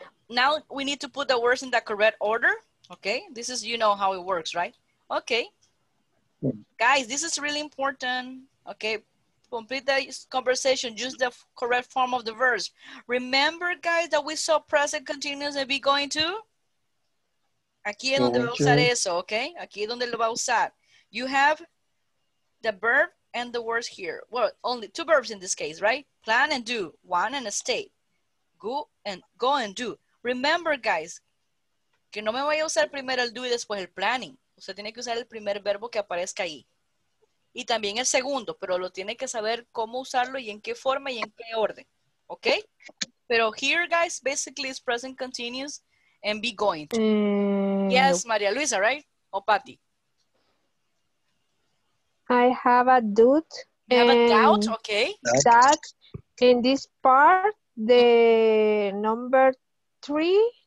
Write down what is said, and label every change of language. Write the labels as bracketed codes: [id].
[en] Now we need to put the words in the correct order. Okay, this is, you know how it works, right? Okay. Yeah. Guys, this is really important. Okay, complete the conversation. Use the correct form of the verbs. Remember, guys, that we saw present continuous and be going to? [es] Aquí es donde va a usar eso, okay? Aquí es donde lo va a usar. [en] You have the verb and the words here. Well, only two verbs in this case, right? Plan and do, one and a state. Go and do. Remember, guys, [es] que no me vaya a usar primero el do y después el planning. Usted tiene que usar el primer verbo que aparezca ahí. Y también el segundo, pero lo tiene que saber cómo usarlo y en qué forma y en qué orden, okay? Pero [en] here, guys, basically it's present continuous and be going to. Yes, no. María Luisa, right? O Patty. I have a doubt. You have a doubt? Okay. That in this part, the number three.